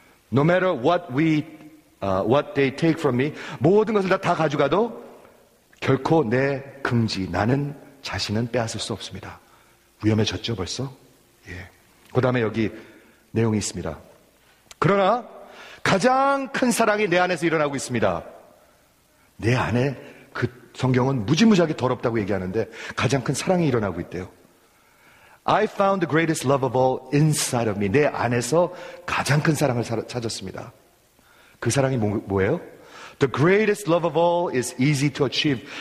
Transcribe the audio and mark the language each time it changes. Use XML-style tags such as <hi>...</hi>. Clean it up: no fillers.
<en>No matter what they take from me,</en> <ko>모든 것을 다 가져가도 결코 내 긍지, 나는 자신은 빼앗을 수 없습니다. 위험해졌죠 벌써. 예. 그 다음에 여기 내용이 있습니다. 그러나 가장 큰 사랑이 내 안에서 일어나고 있습니다. 내 안에 그 성경은 무지무지하게 더럽다고 얘기하는데 가장 큰 사랑이 일어나고 있대요.</ko> <en>I found the greatest love of all inside of me.</en> <ko>내 안에서 가장 큰 사랑을 찾았습니다. 그 사랑이 뭐예요?</ko> <en>The greatest love of all is easy to achieve.</en>